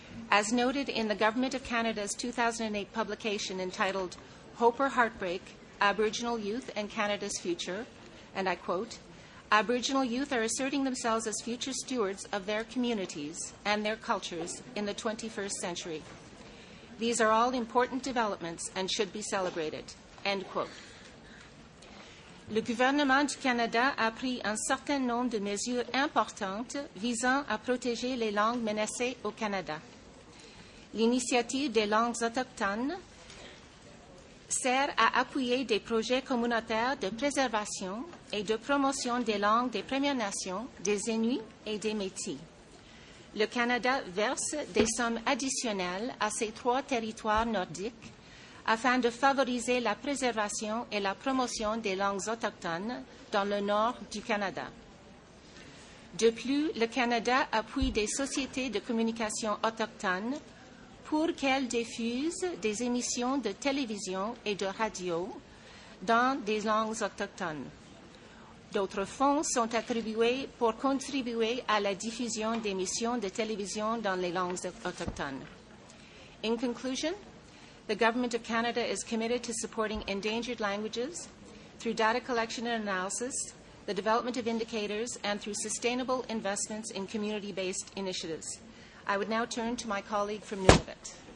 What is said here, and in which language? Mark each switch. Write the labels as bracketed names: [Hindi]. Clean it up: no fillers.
[English] As noted in the Government of Canada's 2008 publication entitled Hope or Heartbreak, Aboriginal Youth and Canada's Future, and I quote, Aboriginal youth are asserting themselves as future stewards of their communities and their cultures in the 21st century. These are all important developments and should be celebrated, end quote. [French] Le gouvernement du Canada a pris un certain nombre de mesures importantes visant à protéger les langues menacées au Canada. L'initiative des langues autochtones sert à appuyer des projets communautaires de préservation et de promotion des langues des Premières Nations, des Inuits et des Métis. Le Canada verse des sommes additionnelles à ces trois territoires nordiques afin de favoriser la préservation et la promotion des langues autochtones dans le nord du Canada. De plus, le Canada appuie des sociétés de communication autochtones pour qu'elles diffusent des émissions de télévision et de radio dans des langues autochtones. D'autres fonds sont attribués pour contribuer à la diffusion d'émissions de télévision dans les langues autochtones. [English] In conclusion, the Government of Canada is committed to supporting endangered languages through data collection and analysis, the development of indicators, and through sustainable investments in community-based initiatives. I would now turn to my colleague from Nunavut.